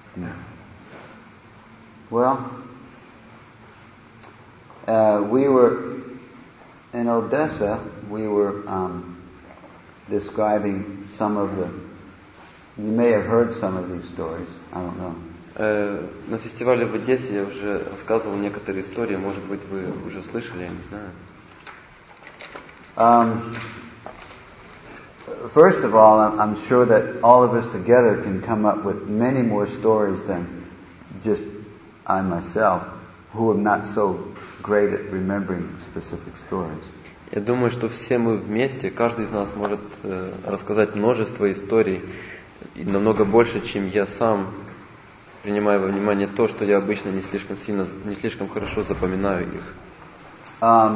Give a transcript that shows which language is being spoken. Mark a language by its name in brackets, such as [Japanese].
[English] Yeah. Well, we were in Odessa. We were describing some of the. You may have heard some of these stories. I don't know. [Russian] На фестивале в Одессе я уже рассказывал некоторые истории. Может быть, вы уже слышали? Я не знаю. [English] First of all, I'm sure that all of us together can come up with many more stories than just I myself, who am not so great at remembering specific stories. [Russian] Я думаю, что все мы вместе, каждый из нас может рассказать множество историй, намного больше, чем я сам, принимая во внимание то, что я обычно не слишком хорошо запоминаю их.